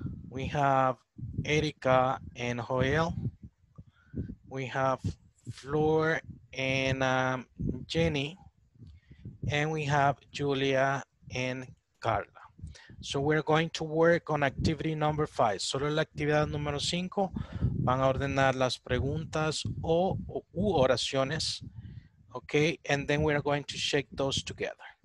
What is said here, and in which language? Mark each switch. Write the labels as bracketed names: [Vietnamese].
[English] We have Erica and Joel. We have Floor and Jenny, and we have Julia and Carla. So we're going to work on activity number 5. [Spanish] Solo la actividad número 5, van a ordenar las preguntas o u oraciones. [English] Okay, and then we're going to shake those together.